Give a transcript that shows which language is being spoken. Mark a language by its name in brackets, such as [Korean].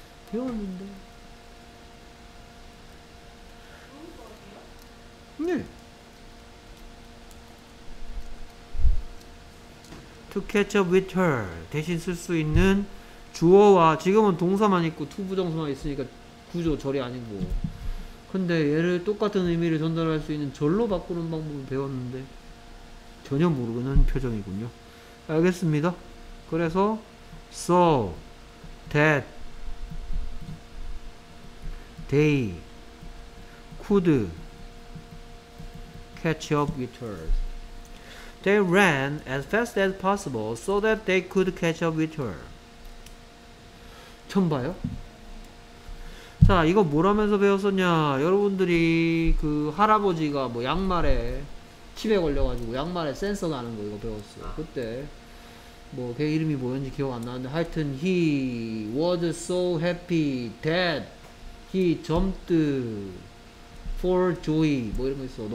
[Korean] 배웠는데 네 [English] To catch up with her [Korean] 대신 쓸 수 있는 주어와 지금은 동사만 있고 to 부정사만 있으니까 구조 절이 아니고 근데 얘를 똑같은 의미를 전달할 수 있는 절로 바꾸는 방법을 배웠는데 전혀 모르는 표정이군요. 알겠습니다. 그래서 [English] So that they could catch up with her. They ran as fast as possible so that they could catch up with her. [Korean] 처음 봐요? 자, 이거 뭐라면서 배웠었냐. 여러분들이 그 할아버지가 뭐 양말에 치매 걸려가지고 양말에 센서 나는 거 이거 배웠어. 그때 뭐 걔 이름이 뭐였는지 기억 안 나는데 하여튼 [English] he was so happy that he jumped for joy [Korean] 뭐 이런 거 있어.